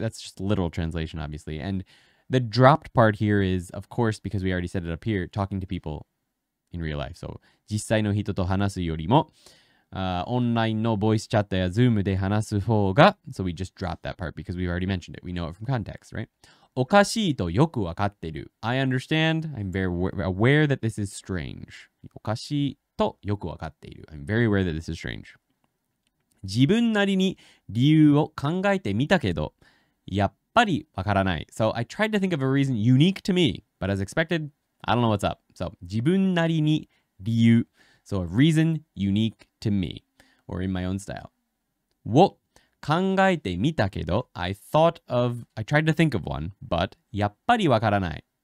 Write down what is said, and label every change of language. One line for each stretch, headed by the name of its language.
English: That's just literal translation, obviously. And the dropped part here is, of course, because we already said it up here, talking to people in real life. So,
Japanese: 実際の人と話すよりも、オンラインのボイスチャットや Zoom で話す方が、
English: so we just dropped that part because we've already mentioned it. We know it from context, right?
Japanese: おかしいとよくわかってる。
English: I understand. I'm very aware that this is strange.
Japanese: おかしいとよくわかっている。
English: I'm very aware that this is strange.
Japanese: 自分なりに理由を考えてみたけど、やっぱりわからない。
English: So I tried to think of a reason unique to me, but as expected, I don't know what's up. So
Japanese: 自分なりに理由、
English: so a reason unique to me, or in my own style,
Japanese: を考えてみたけど、
English: I tried to think of one, but
Japanese: やっぱりわからない。